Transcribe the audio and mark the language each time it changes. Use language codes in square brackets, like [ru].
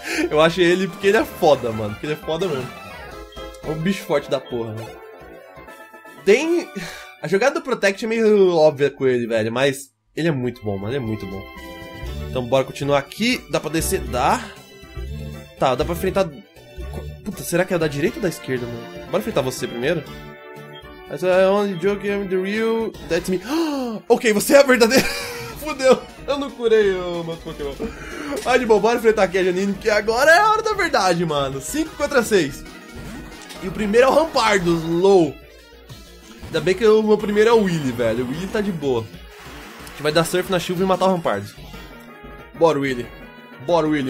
[pt] Eu acho ele porque ele é foda, mano. Porque ele é foda mesmo. É um bicho forte da porra, né? Tem... A jogada do Protect é meio óbvia com ele, velho. Mas ele é muito bom, mano. Ele é muito bom. Então bora continuar aqui. Dá pra descer? Dá. Tá, dá pra enfrentar... Puta, será que é da direita ou da esquerda, mano? Bora enfrentar você primeiro. [en] I said, I'm only joking, I'm the real, that's me. [pt] Ok, você é a verdadeira. Fudeu, eu não curei o meu Pokémon. Mas de boa, bora enfrentar aqui a Janine, porque agora é a hora da verdade, mano. 5 contra 6. E o primeiro é o Rampardos, low. Ainda bem que o meu primeiro é o Willy, velho. O Willy tá de boa. A gente vai dar surf na chuva e matar o Rampardos. Bora, Willy. Bora, Willy.